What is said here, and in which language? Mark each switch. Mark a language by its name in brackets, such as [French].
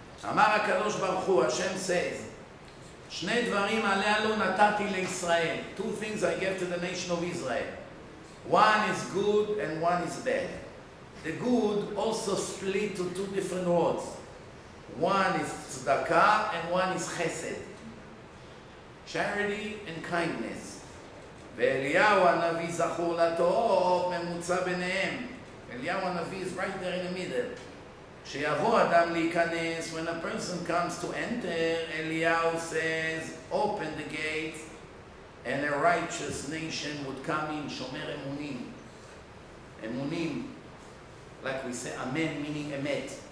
[Hebrew] אמר הקדוש ברוך הוא, השם [English] says, [Hebrew] שני דברים עלינו נתתי לישראל. [English] Two things I gave to the nation of Israel. One is good and one is bad. The good also split to two different words. One is tzedakah and one is chesed. Charity and kindness. [Hebrew] ואליהו הנביא זכור לטוב ממוצע ביניהם. [English] אליהו הנביא is right there in the middle. [Hebrew] שיבוא אדם להיכנס, [English] when a person comes to enter, Eliyahu says, open the gates, and a righteous nation would come in, [Hebrew] שומר אמונים. [English] אמונים, like we say, amen, meaning אמת.